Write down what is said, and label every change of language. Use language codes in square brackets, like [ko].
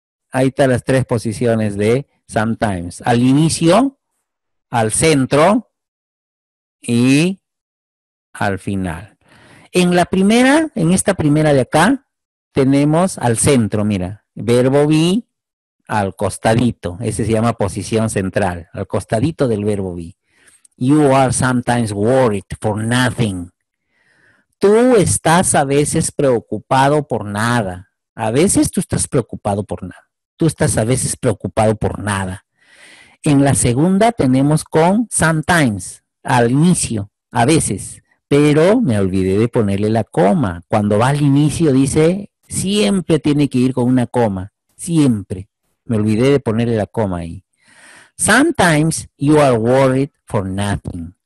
[es] Ahí están las tres posiciones de sometimes. Al inicio, al centro y al final. En la primera, en esta primera de acá, tenemos al centro, mira. Verbo be al costadito. Ese se llama posición central. Al costadito del verbo be. [en] You are sometimes worried for nothing. [es] Tú estás a veces preocupado por nada. A veces tú estás preocupado por nada. Tú estás a veces preocupado por nada. En la segunda tenemos con sometimes, al inicio, a veces. Pero me olvidé de ponerle la coma. Cuando va al inicio dice, siempre tiene que ir con una coma. Siempre. Me olvidé de ponerle la coma ahí. [en] Sometimes you are worried for nothing.